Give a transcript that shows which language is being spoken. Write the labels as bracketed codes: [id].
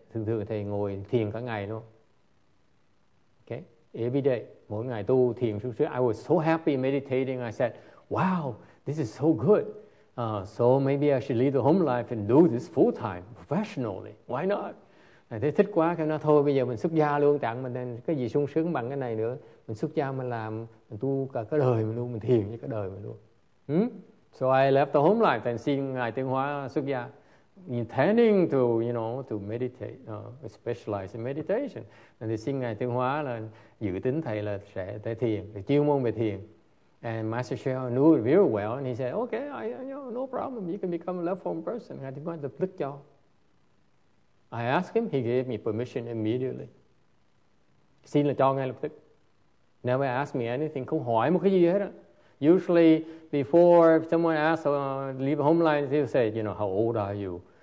[vi] Thường thường thầy ngồi thiền cả ngày luôn. [en] Okay, every day, [vi] mỗi ngày tu thiền suốt suốt. [en] I was so happy meditating. I said, wow, this is so good. So maybe I should leave the home life and do this full time, professionally. Why not? [vi] Thầy thích quá, thầy nói thôi bây giờ mình xuất gia luôn, chẳng mình cái gì sung sướng bằng cái này nữa. Mình xuất gia mình làm, mình tu cả cái đời mình luôn, mình thiền cho cái đời mình luôn. [en] So I left the home life and [vi] xin ngài Tiên Hóa xuất gia. [en] Intending to, you know, to meditate, specialize in meditation. And they sing [vi] ngài Tiên Hóa là dự tính thầy là sẽ tới thiền, chuyên môn về thiền. [en] And Master Shell knew it very well, and he said, okay, no problem, you can become a left home person. [vi] Ngài Tiên Hóa lập tức cho. [en] I asked him, he gave me permission immediately. [vi] Xin là cho ngay lập tức. [en] Never asked me anything, [vi] không hỏi một cái gì hết á. [en] Usually, before if someone asks to leave home life, they'll say, you know, how old are you?